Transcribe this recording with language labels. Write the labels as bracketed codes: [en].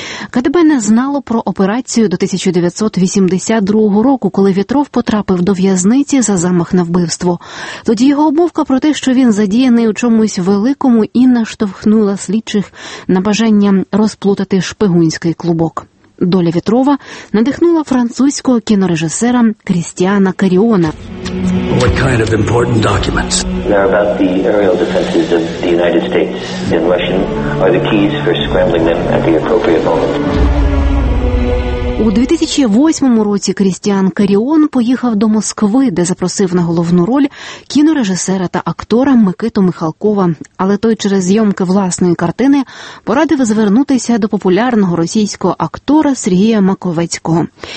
[uk] КДБ не знало про операцію до 1982 року, коли В'єтров потрапив до в'язниці за замах на вбивство. Тоді його обмовка про те, що він задіяний у чомусь великому, і наштовхнула слідчих на бажання розплутати шпигунський клубок. Доля В'єтрова надихнула французького кінорежисера Крістіана Каріона. [en] What kind of important documents? They're about the aerial defenses of the United States in Russian are the keys for scrambling them at the appropriate moment. [uk] У 2008 році Крістіан Каріон поїхав до Москви, де запросив на головну роль кінорежисера та актора Микиту Михалкова. Але той через зйомки власної картини порадив звернутися до популярного російського актора Сергія Маковецького.